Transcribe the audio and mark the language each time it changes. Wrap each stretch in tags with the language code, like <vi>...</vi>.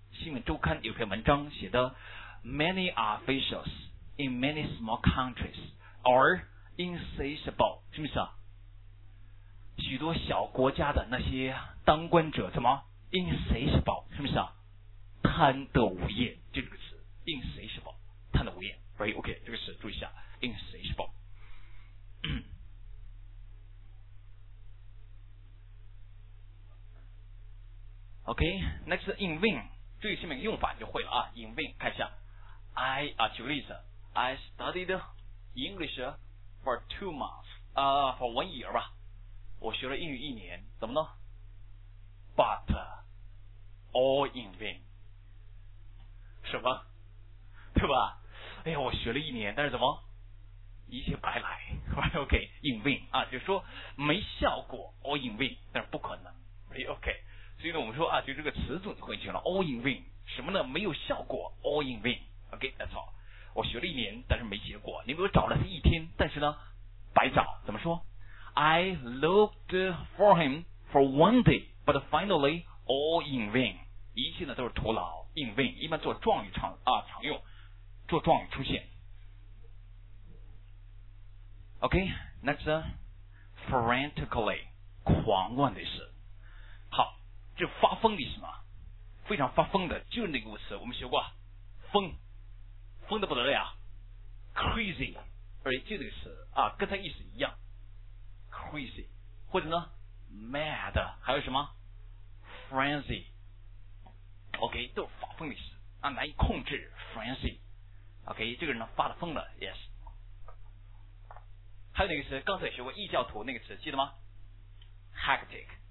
<zh>新闻周刊有篇文章写的</zh> <en>，Many officials in many small countries are insatiable， 什么意思啊？</en> <zh>许多小国家的那些当官者怎么 insatiable， 什么意思啊？贪得无厌，就这个词 insatiable， 贪得无厌 ，right？ OK， 这个词注意一下 insatiable。</zh> <en>OK， next in vain。 注意下面用法就会了啊 ，in vain， 看一下 ，I 啊，举个例子 ，I studied English for 2 months， 啊、，for 1 year 吧，</en> <zh>我学了英语一年，怎么呢</zh> <en>？But all in vain， 什么？对吧？</en> <zh>哎呀，我学了一年，但是怎么一切白来 ？OK， in vain 啊，就说没效果 ，all in vain， 但是不可能 ，OK。所以呢，我们说啊，就这个词组就会形容 all in vain， 什么呢？没有效果 ，all in vain。</zh> <en>OK， that's all。</en> <zh>我学了一年，但是没结果。你比如找了他一天，但是呢，白找。怎么说</zh> <en>？I looked for him for one day， but finally all in vain。</en> <zh>一切呢都是徒劳 ，in vain。一般做状语常啊常用，做状语出现。</zh> <en>OK， next， frantically， 狂乱的事。</en> <zh>这发疯的是什么？非常发疯的，就是那个词，我们学过，疯，疯的不得了 ，crazy， 而就这个词啊，跟它意思一样 ，crazy， 或者呢 ，mad， 还有什么 ，frenzy，OK，、okay， 都是发疯的词啊，难以控制 ，frenzy，OK，、okay， 这个人呢发了疯了 ，yes， 还有那个词，刚才学过异教徒那个词，记得吗 ？hectic。</zh>